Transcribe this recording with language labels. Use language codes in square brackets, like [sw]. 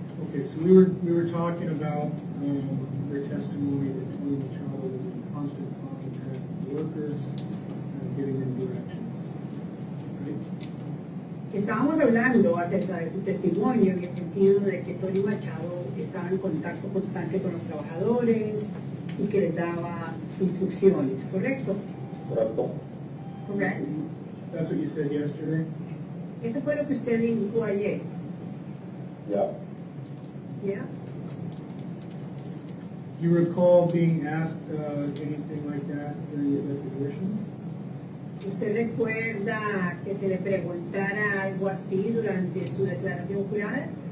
[en] Okay, so we were talking about the testimony that Tony Machado was in constant contact with the workers and giving them directions, right? [es] Estábamos hablando acerca de su testimonio en el sentido de que Tony Machado estaba en contacto constante con los trabajadores y que les daba instrucciones, ¿correcto? Correcto. [en] Correct. That's what you said yesterday. [es] Eso fue lo que usted dijo ayer. [en] Yeah. Yeah. Do you recall being asked anything like that during your deposition? [es] ¿Usted recuerda que se le preguntara algo así durante su declaración jurada?